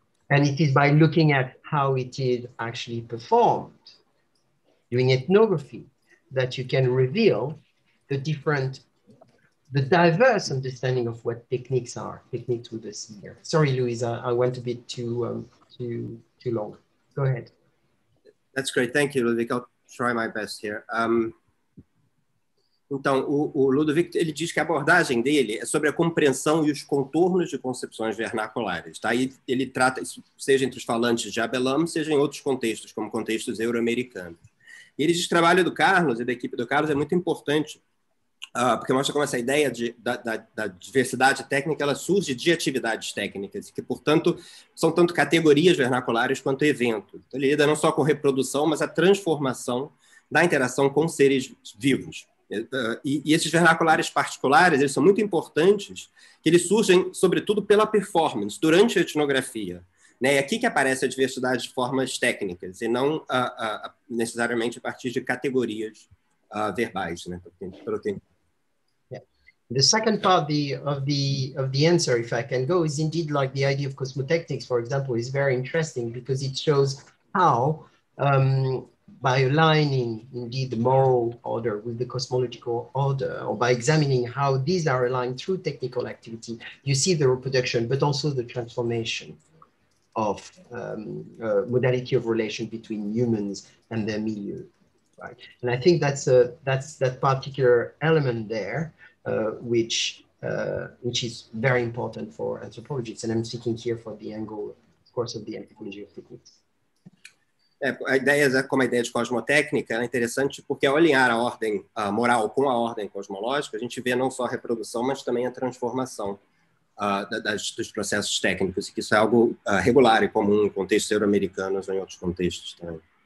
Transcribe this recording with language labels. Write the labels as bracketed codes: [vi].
[en] And it is by looking at how it is actually performed, doing ethnography, that you can reveal the different, the diverse understanding of what techniques are, techniques with us here. Sorry, Louisa, I went a bit too long. Go ahead. That's great, thank you, Ludovic. I'll try my best here. [pt] Então, o Ludovic, ele diz que a abordagem dele é sobre a compreensão e os contornos de concepções vernaculares. Tá? E ele trata isso, seja entre os falantes de Abelam, seja em outros contextos, como contextos euro-americanos. E ele diz que o trabalho do Carlos e da equipe do Carlos é muito importante, porque mostra como essa ideia da diversidade técnica ela surge de atividades técnicas, que, portanto, são tanto categorias vernaculares quanto eventos. Então, ele lida não só com reprodução, mas a transformação da interação com seres vivos. E esses vernaculares particulares, eles são muito importantes, que eles surgem, sobretudo, pela performance, durante a etnografia. Né? É aqui que aparece a diversidade de formas técnicas, e não necessariamente a partir de categorias verbais. Né? [en] Yeah. The second part of the answer, if I can go, is indeed like the idea of cosmotechnics, for example, is very interesting because it shows how by aligning indeed the moral order with the cosmological order, or by examining how these are aligned through technical activity, you see the reproduction, but also the transformation of modality of relation between humans and their milieu, right? And I think that's that particular element there, which is very important for anthropologists. And I'm speaking here for the angle, of course, of the anthropology of techniques. [pt] É, a ideia da, como a ideia de cosmotécnica é interessante porque ao alinhar a ordem moral com a ordem cosmológica, a gente vê não só a reprodução, mas também a transformação dos processos técnicos, que isso é algo regular e comum em contextos euro-americanos ou em outros contextos também.